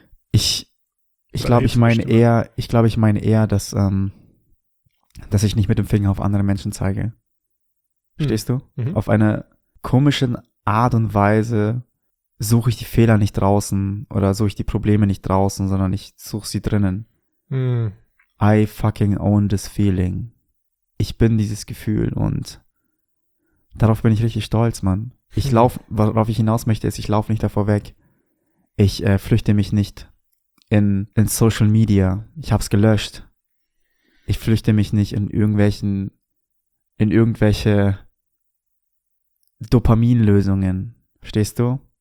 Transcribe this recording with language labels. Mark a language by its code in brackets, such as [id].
[de] Ich glaube, ich meine eher, dass ich nicht mit dem Finger auf andere Menschen zeige. Verstehst du? Mhm. Auf eine komische Art und Weise suche ich die Fehler nicht draußen oder suche ich die Probleme nicht draußen, sondern ich suche sie drinnen. [en] I fucking own this feeling. [de] Ich bin dieses Gefühl und darauf bin ich richtig stolz, Mann. Ich laufe, worauf ich hinaus möchte, ist, ich laufe nicht davor weg. Ich flüchte mich nicht in Social Media. Ich hab's gelöscht. Ich flüchte mich nicht in irgendwelche Dopaminlösungen. Stehst du?